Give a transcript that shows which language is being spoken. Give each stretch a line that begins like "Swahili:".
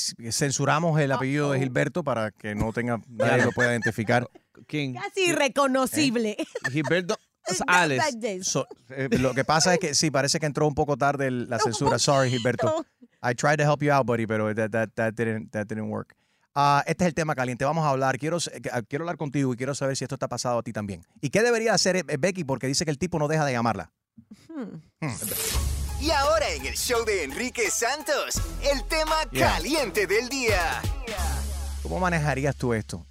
Spanish: Censuramos el apellido de Gilberto para que no tenga nadie lo pueda identificar. ¿Quién? Casi irreconocible. Gilberto González. Lo que pasa es que sí, parece que entró un poco tarde la censura. Sorry, Gilberto.
English: I tried to help you out, buddy, pero that didn't work.
Spanish: Este es el tema caliente. Vamos a hablar. Quiero hablar contigo y quiero saber si esto está pasado a ti también. ¿Y qué debería hacer Becky? Porque dice que el tipo no deja de llamarla. Y ahora en el show de Enrique Santos, el tema caliente del día. ¿Cómo manejarías tú esto?